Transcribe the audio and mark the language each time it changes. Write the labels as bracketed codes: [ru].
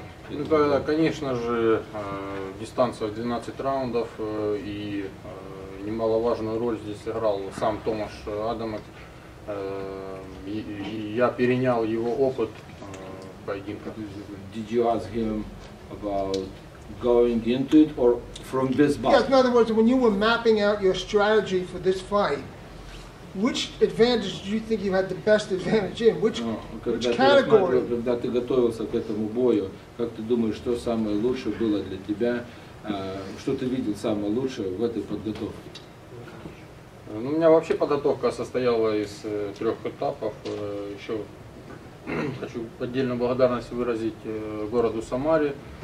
[ru] Это, конечно же, дистанция 12 раундов, и немаловажную роль здесь играл сам Томаш Адамак. Я перенял его опыт поединка. [en] Did you ask him about going into it or from this bout? Yes, in other words, when you were mapping out your strategy for this fight, which advantage do you think you had the best advantage in? Which category? [ru] Когда ты готовился к этому бою, как ты думаешь, что самое лучшее было для тебя? Что ты видел самое лучшее в этой подготовке? Ну, у меня вообще подготовка состояла из трех этапов. Еще хочу отдельную благодарность выразить городу Самаре.